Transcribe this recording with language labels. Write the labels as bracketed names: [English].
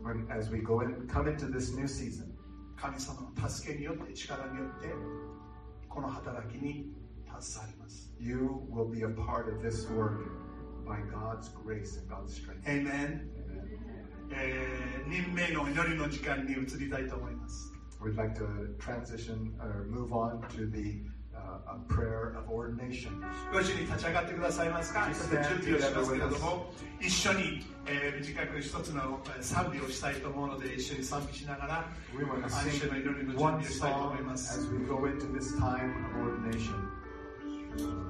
[English] as we go in, come into this new season. [Japanese] 神様の助けによって力によってこの働きに携わります。 [English] You will be a part of this work by God's grace and God's strength. Amen. Amen. [Japanese] 任命の祈りの時間に移りたいと思います。 [English] We'd like to transition or move on to the a prayer of ordination. [Japanese] ご主に立ち上がってくださいますか。ちょっと準備をしますけれども、一緒に、短く一つの賛美をしたいと思うので、一緒に賛美しながら、愛しの祈りの準備をしたいと思います。 [English] As we go into this time of ordination.